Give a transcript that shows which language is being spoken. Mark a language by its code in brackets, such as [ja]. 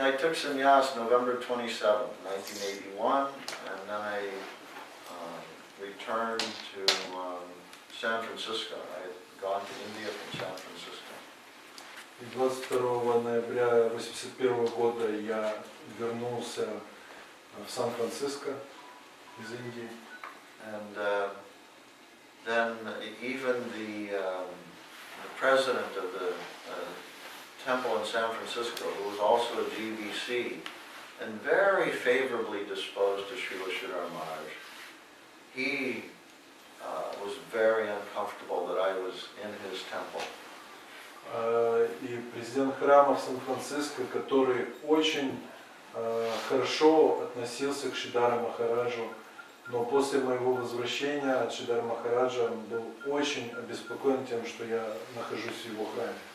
[en] I took sannyas November 27, 1981, and then I returned to San Francisco. I had gone to India from San Francisco. [ru] 22 ноября 81 года я вернулся в Сан-Франциско из Индии. [en] And then even the president of the temple in San Francisco, who was also a GBC, and very favorably disposed to Srila Sridhar Maharaj, he was very uncomfortable that I was in his temple. [ru] И президент храма в Сан-Франциско, который очень хорошо относился к Шридхару Махараджу, но после моего возвращения от Шридхара Махараджа он был очень обеспокоен тем, что я нахожусь в его храме.